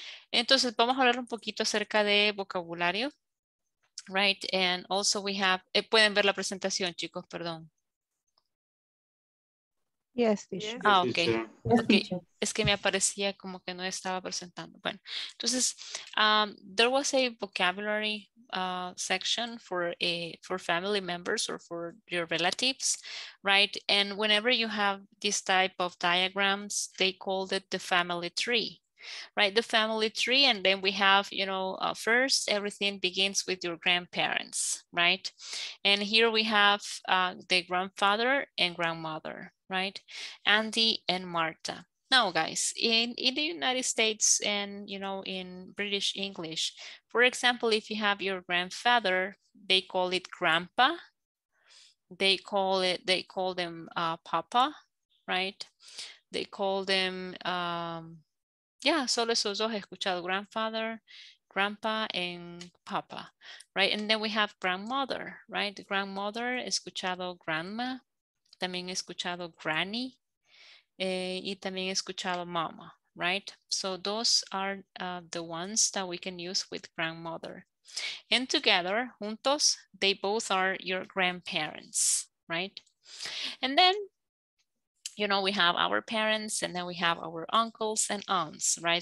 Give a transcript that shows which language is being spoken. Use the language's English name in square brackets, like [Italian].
[Spanish] Entonces vamos a hablar un poquito acerca de vocabulario, right? [English] And also we have, [Spanish] pueden ver la presentación, chicos, perdón. [English] Yes, teacher. Ah, okay. Okay. [Spanish] Es que me aparecía como que no estaba presentando. [English] Bueno, entonces, there was a vocabulary section for family members or for your relatives, right? And whenever you have this type of diagrams, they called it the family tree, right? The family tree, and then we have, you know, first everything begins with your grandparents, right? And here we have the grandfather and grandmother, right? Andy and Marta. Now guys, in the United States and, you know, in British English, for example, if you have your grandfather, they call it grandpa. They call them papa, right? They call them, [Spanish] solo esos dos he escuchado, [English] grandfather, grandpa, and papa, right? And then we have grandmother, right? [Spanish] Grandmother, he escuchado grandma, también he escuchado granny, y también he escuchado mama, right? [English] So those are the ones that we can use with grandmother. And together, [Spanish] juntos, [English] they both are your grandparents, right? And then, you know, we have our parents and then we have our uncles and aunts, right?